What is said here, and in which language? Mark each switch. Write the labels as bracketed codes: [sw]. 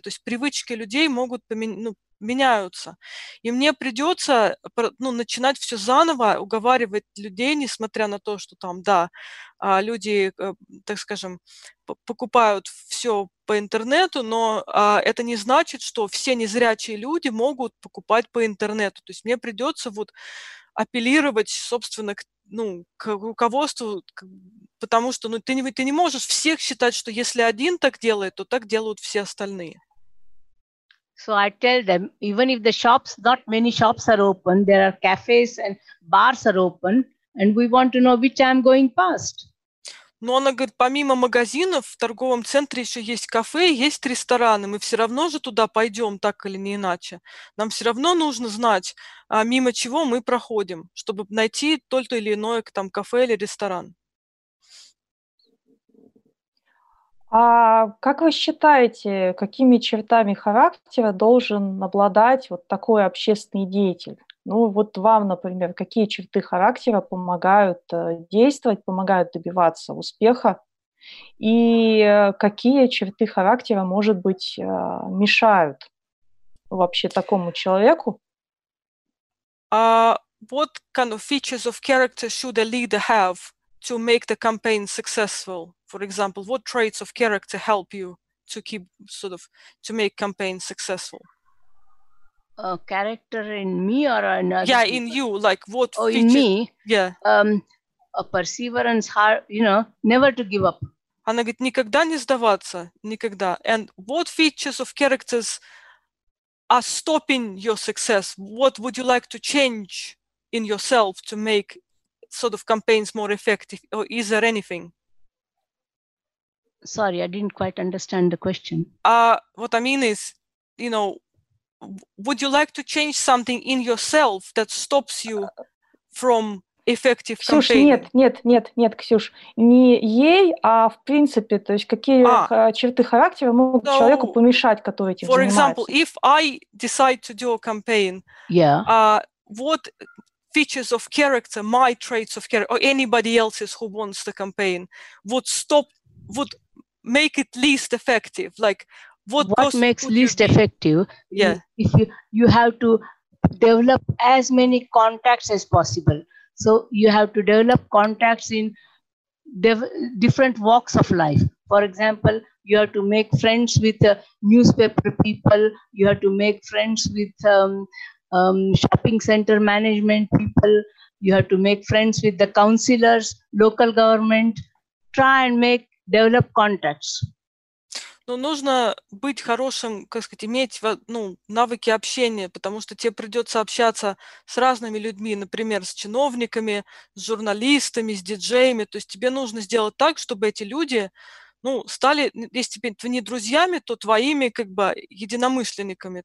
[ru] То есть привычки людей могут меняются. И мне придется начинать все заново, уговаривать людей, несмотря на то, что там, да, люди, так скажем, покупают все по интернету, но это не значит, что все незрячие люди могут покупать по интернету. То есть мне придется вот апеллировать, собственно, к руководству, потому что ты не можешь всех считать, что если один так делает, то так делают все остальные. [en] So I tell them, even if the shops, not many shops are open, there are cafes and bars are open, and we want to know which I'm going past. [ru] Но она говорит, помимо магазинов, в торговом центре еще есть кафе, есть рестораны, мы все равно же туда пойдем, так или не иначе. Нам все равно нужно знать, мимо чего мы проходим, чтобы найти то или иное там, кафе или ресторан. А как вы считаете, какими чертами характера должен обладать вот такой общественный деятель? Ну, вот вам, например, какие черты характера помогают действовать, помогают добиваться успеха? И какие черты характера, может быть, мешают вообще такому человеку? [en] What kind of features of character should a leader have to make the campaign successful? For example, what traits of character help you to keep sort of to make campaign successful? Character in me or another? Yeah, in you. Like what? Oh, in me. Yeah. A perseverance, heart. You know, never to give up. [ru] Она говорит, никогда не сдаваться, никогда. [en] And what features of characters are stopping your success? What would you like to change in yourself to make sort of campaigns more effective? Or is there anything? Sorry, I didn't quite understand the question. What I mean is, you know, would you like to change something in yourself that stops you from effective [ru] Ксюш, [en] campaign? [ru] Нет, Ксюш, не ей, а в принципе, то есть какие черты характера могут человеку помешать, который этим занимается? [en] For example, if I decide to do a campaign, what features of character, my traits of character, or anybody else's who wants the campaign, would make it least effective, like what makes least effective? Yeah, if you have to develop as many contacts as possible. So you have to develop contacts in different walks of life. For example, you have to make friends with newspaper people. You have to make friends with shopping center management people. You have to make friends with the councillors, local government. Try and make develop contacts. [ru] Но нужно быть хорошим, как сказать, иметь ну, навыки общения, потому что тебе придется общаться с разными людьми, например, с чиновниками, с журналистами, с диджеями. То есть тебе нужно сделать так, чтобы эти люди ну, стали, если тебе не друзьями, то твоими как бы единомышленниками.